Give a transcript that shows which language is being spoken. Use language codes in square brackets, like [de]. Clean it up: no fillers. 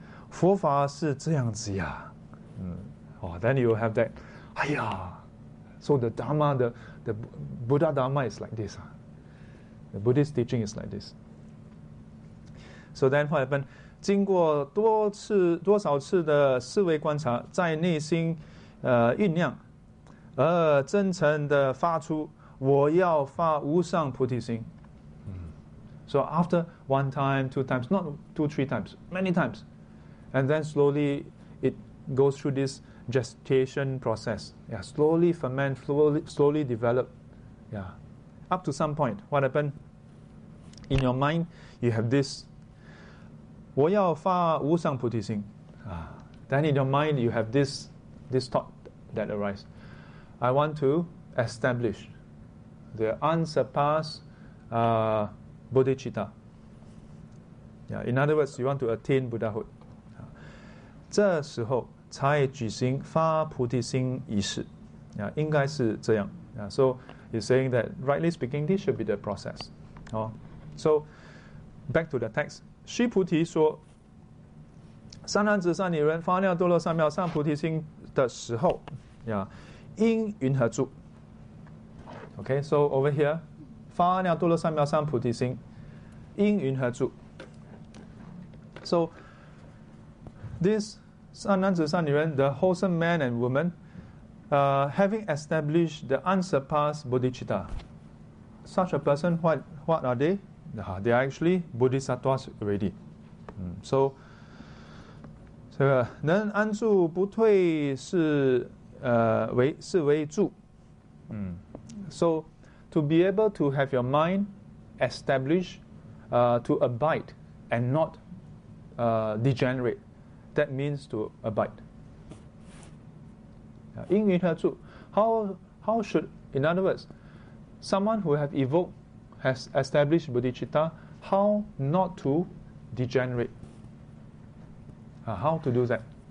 [zh] 佛法是这样子呀, [en] oh, then you have that, aiya, so the Dharma, the Buddha Dharma is like this. The Buddhist teaching is like this. So then what happened? [zh] 经过多次多少次的思维观察，在内心酝酿，而真诚的发出我要发无上菩提心。 [en] So after one time, two times, not two, three times, many times. And then slowly it goes through this gestation process. Yeah, slowly ferment, slowly develop. Yeah. Up to some point, what happened? In your mind, you have this. [zh] 我要发无上菩提心. [en] Then in your mind, you have this thought that arises. I want to establish the unsurpassed Bodhicitta. Yeah, in other words, you want to attain Buddhahood. [zh] 这时候才举行发菩提心仪式。 Yeah, 应该是这样。 [en] Yeah, so he's saying that, rightly speaking, this should be the process. Oh, so back to the text. [zh] 须菩提说，善男子、善女人发了多罗三藐三菩提心的时候，应云何住？ [en] Okay, so over here, [zh] 发了多罗三藐三菩提心。因云何住？ [en] So, this 善男子、善女人 the wholesome man and woman, having established the unsurpassed bodhicitta, such a person, what are they? They are actually bodhisattvas already. [zh] So, 这个能安住不退是为住。 [en] So, to be able to have your mind established. To abide and not degenerate. That means to abide. [zh] 因云何住? [en] How should, in other words, someone who have evoked, has established bodhicitta, how not to degenerate? How to do that?